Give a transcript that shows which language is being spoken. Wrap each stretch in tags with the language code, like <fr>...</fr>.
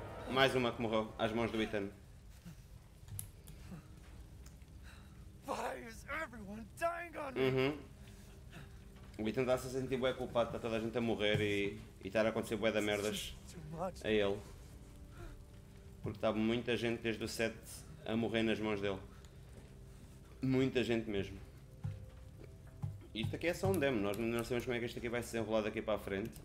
<pt>Mais uma que morreu às mãos do Ethan.</pt> <en>Why is everyone dying on me?</en> <pt>O Ethan está-se a sentir bué culpado, está toda a gente a morrer e estar a acontecer bué da merdas a ele. Porque estava muita gente desde o set a morrer nas mãos dele. Muita gente mesmo. Isto aqui é só um demo, nós não sabemos como é que isto aqui vai se desenrolar daqui para a frente.</pt>